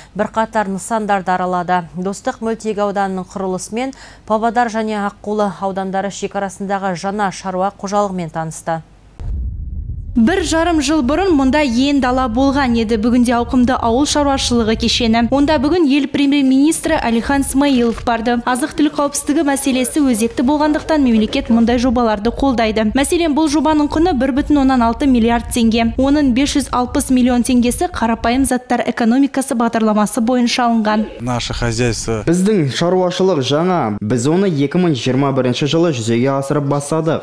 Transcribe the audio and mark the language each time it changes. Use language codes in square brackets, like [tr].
[kk] Бірқатар нысандарды аралады. Достық мөлтек ауданының құрылысымен Павлодар және Аққулы аудандары шекарасындағы жаңа шаруа қожалығымен танысты. Бір жарым жыл бұрын мұнда ен дала болған еді бүгінде ауқымды ауыл шаруашылығы кешені. Онда бүгін ел премьер-министрі Алихан Смаилов барды. Азық-түлік қауіпсіздігі мәселесі өзекті болғандықтан мемлекет мұндай жобаларды қолдайды. Мәселен, бұл жобаның құны 1,6 миллиард теңге. Оның 560 миллион теңгесі қарапайым заттар экономикасы бағдарламасы бойынша алынған. [ru] Наше хозяйство. [kk] Біздің шаруашылық жаңа. Біз оны 2021 жылы жүзеге асырып бастадық.